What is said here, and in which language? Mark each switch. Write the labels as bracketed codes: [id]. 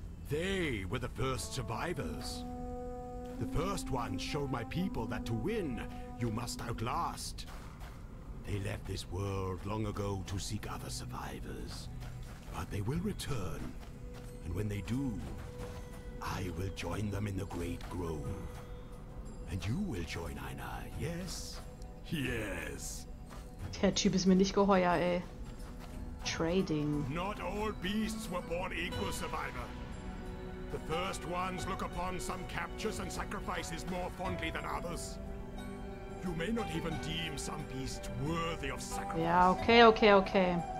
[en] They were the first survivors. The first ones showed my people that to win, you must outlast. They left this world long ago to seek other survivors, but they will return, and when they do, I will join them in the Great Grove, and you will join Aina, yes? Yes. [de] Der Typ ist mir nicht geheuer, ey. [en] Trading. Not all beasts were born equal, Survivor. The first ones look upon some captures and sacrifices more fondly than others. You may not even deem some beast worthy of sacrifice. [de] Ja, okay.